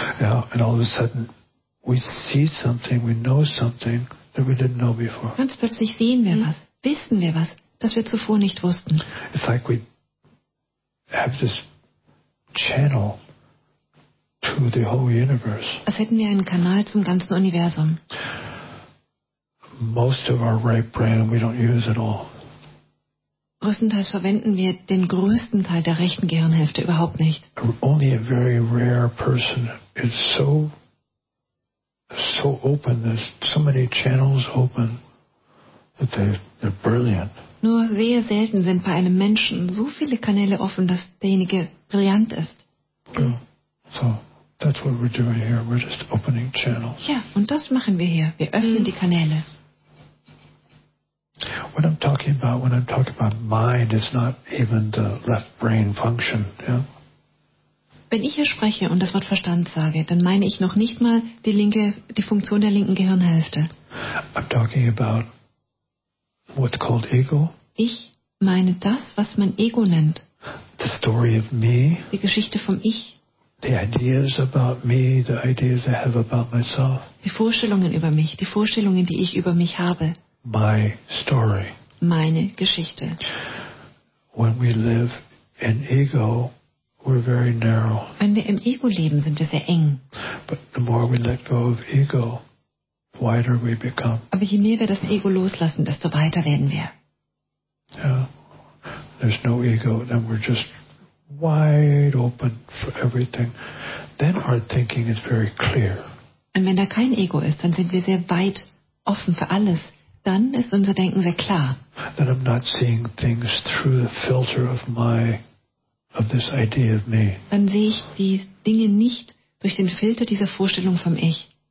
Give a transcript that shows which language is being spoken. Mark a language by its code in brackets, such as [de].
[en] Yeah, and all of a sudden we see something, we know something that we didn't know before. [de] Ganz plötzlich sehen wir was, wissen wir was, das wir zuvor nicht wussten. [en] It's like we have this channel. To the whole universe. [de] Als hätten wir einen Kanal zum ganzen Universum. [en] Most of our right brain we don't use at all. [de] Größtenteils verwenden wir den größten Teil der rechten Gehirnhälfte überhaupt nicht. [en] Only a very rare person is so open, there's so many channels open that they're brilliant. [de] Nur sehr selten sind bei einem Menschen so viele Kanäle offen, dass derjenige brillant ist. [en] Yeah. So. That's what we're doing here. We're just opening channels. [de] Ja, und das machen wir hier. Wir öffnen die Kanäle. [en] What I'm talking about when I'm talking about mind is not even the left brain function. Yeah. [de] Wenn ich hier spreche und das Wort Verstand sage, dann meine ich noch nicht mal die Funktion der linken Gehirnhälfte. [en] I'm talking about what's called ego. [de] Ich meine das, was man Ego nennt. [en] The story of me. [de] Die Geschichte vom Ich. [en] The ideas about me, the ideas I have about myself. [de] Die Vorstellungen über mich, die Vorstellungen, die ich über mich habe. [en] My story. [de] Meine Geschichte. [en] When we live in ego, we're very narrow. [de] Wenn wir im Ego leben, sind wir sehr eng. [en] But the more we let go of ego, wider we become. [de] Aber je mehr wir das Ego loslassen, desto weiter werden wir. [en] Yeah. There's no ego, then we're just wide open for everything. Then our thinking is very clear. [de] Und wenn da kein Ego ist, dann sind wir sehr weit offen für alles. Dann ist unser Denken sehr klar. [en] That I'm not seeing things through the filter of my of this idea of me. [de] Dann sehe ich die Dinge nicht durch den Filter dieser Vorstellung vom Ich.